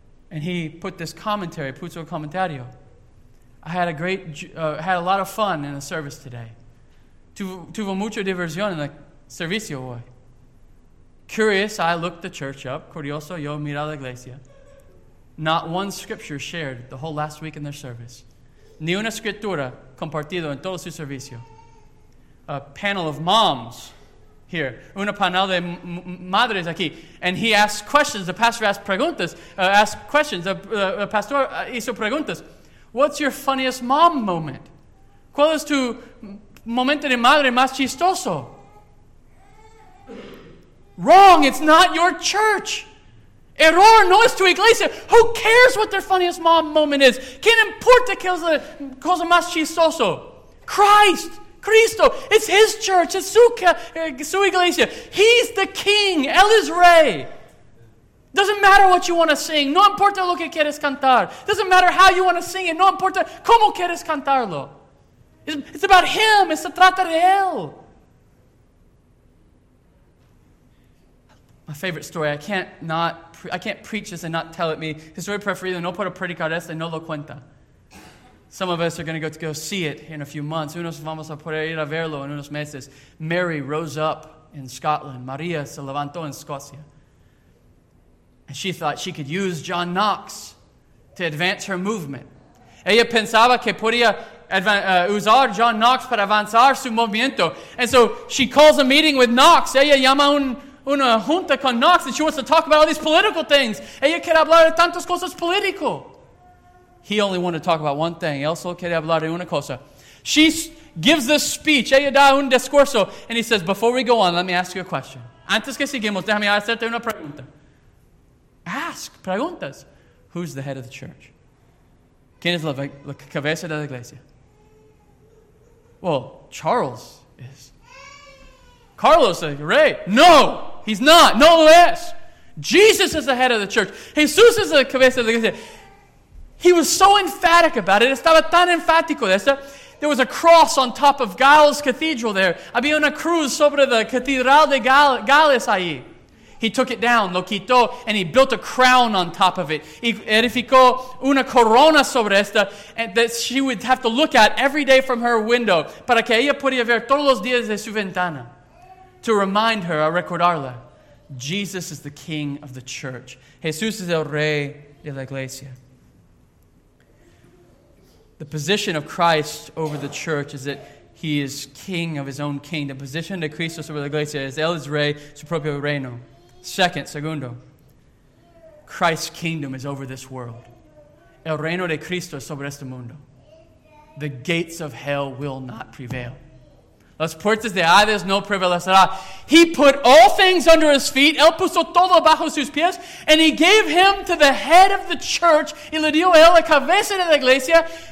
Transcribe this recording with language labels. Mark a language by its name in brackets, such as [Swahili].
[English] And he put this commentary, [Spanish] puso el comentario. [English] I had a great, had a lot of fun in the service today. [Spanish] Tuvo mucha diversión en la servicio hoy. [English] Curious, I looked the church up. [Spanish] Curioso, yo miré a la iglesia. [English] Not one scripture shared the whole last week in their service. [Spanish] Ni una escritura compartido en todo su servicio. [English] A panel of moms here. [Spanish] Una panel de madres aquí. [English] And he asked questions. The pastor asked preguntas. The pastor [Spanish] hizo preguntas. [English] What's your funniest mom moment? [Spanish] ¿Cuál es tu momento de madre más chistoso? [English] Wrong, it's not your church. [Spanish] Error, no es tu iglesia. [English] Who cares what their funniest mom moment is? [Spanish] ¿Quién importa que es la cosa más chistoso? [English] Christ, Cristo, it's his church, it's [Spanish] su iglesia. [English] He's the king, él es rey. Doesn't matter what you want to sing, [Spanish] no importa lo que quieres cantar. [English] Doesn't matter how you want to sing it, [Spanish] no importa cómo quieres cantarlo. [English] It's about him, [Spanish] se trata de él. [English] My favorite story, I can't preach this and not tell it. [Spanish] Me, historia preferida, no puedo predicar esto y no lo cuenta. [English] Some of us are going to go see it in a few months. [Spanish] Unos vamos a poder ir a verlo en unos meses. [English] Mary rose up in Scotland. [Spanish] Maria se levantó en Escocia. [English] And she thought she could use John Knox to advance her movement. [Spanish] Ella pensaba que podía usar John Knox para avanzar su movimiento. [English] And so she calls a meeting with Knox. [Spanish] Ella llama una junta con Knox, [English] and she wants to talk about all these political things. [Spanish] Ella quiere hablar de tantas cosas políticas. [English] He only wanted to talk about one thing. [Spanish] Él solo quiere hablar de una cosa. [English] She gives this speech. [Spanish] Ella da un discurso. [English] And he says, before we go on, let me ask you a question. [Spanish] Antes que sigamos, déjame hacerte una pregunta. Ask preguntas. [English] Who's the head of the church? [Spanish] ¿Quién es la cabeza de la iglesia? [English] Well, Charles is. Carlos is the rey. No, he's not. No less. Jesus is the head of the church. [Spanish] Jesús es la cabeza de la iglesia. [English] He was so emphatic about it. [Spanish] Estaba tan enfático de eso. [English] There was a cross on top of Giles Cathedral there. [Spanish] Había una cruz sobre la catedral de Giles allí. [English] He took it down, [Spanish] lo quitó, [English] and he built a crown on top of it. [Spanish] Y edificó una corona sobre esta [English] that she would have to look at every day from her window [Spanish] para que ella pudiera ver todos los días de su ventana [English] to remind her, [Spanish] a recordarla. [English] Jesus is the king of the church. [Spanish] Jesús es el rey de la iglesia. [English] The position of Christ over the church is that he is king of his own kingdom. The position [Spanish] de Cristo sobre la iglesia es él es rey su propio reino. [English] Segundo, Christ's kingdom is over this world. [Spanish] El reino de Cristo es sobre este mundo. [English] The gates of hell will not prevail. [Spanish] Las puertas de Hades no prevalecerán. [English] He put all things under his feet. [Spanish] Él puso todo bajo sus pies. [English] And he gave him to the head of the church. [Spanish] Y le dio él la cabeza de la iglesia.